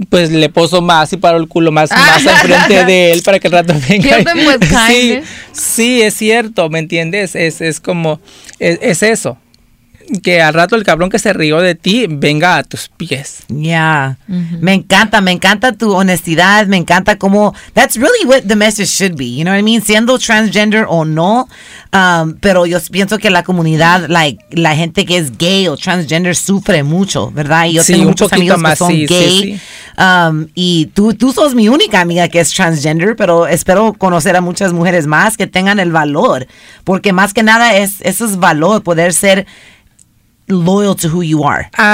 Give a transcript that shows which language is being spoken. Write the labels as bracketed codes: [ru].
[es] Pues le poso más y paro el culo más enfrente de él para que el rato venga. Sí, es cierto, ¿me entiendes? Es eso. Que al rato el cabrón que se rió de ti venga a tus pies. Ya. Yeah. Uh-huh. Me encanta tu honestidad, me encanta cómo. [en] That's really what the message should be, you know what I mean? [es] Siendo transgender o no, pero yo pienso que la comunidad, like, la gente que es gay o transgender sufre mucho, ¿verdad? Y yo sí, tengo muchos amigos más, que son gay. Sí, sí. Y tú sos mi única amiga que es transgender, pero espero conocer a muchas mujeres más que tengan el valor, porque más que nada eso es valor, poder ser [en] loyal to who you are.